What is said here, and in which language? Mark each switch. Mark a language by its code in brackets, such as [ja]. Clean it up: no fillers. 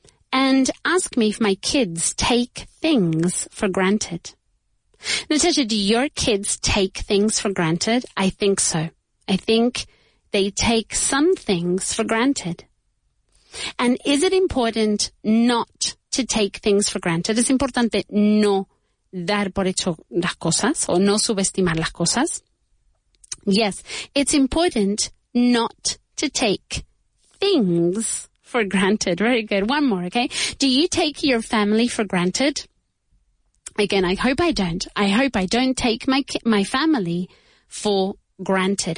[en] And ask me if my kids take things for granted. Natasha, do your kids take things for granted? I think so. I think they take some things for granted. And is it important not to take things for granted? [es] ¿Es importante no dar por hecho las cosas o no subestimar las cosas? [en] Yes, it's important not to take things for granted. Very good. One more, okay? Do you take your family for granted? Again, I hope I don't. I hope I don't take my family for granted.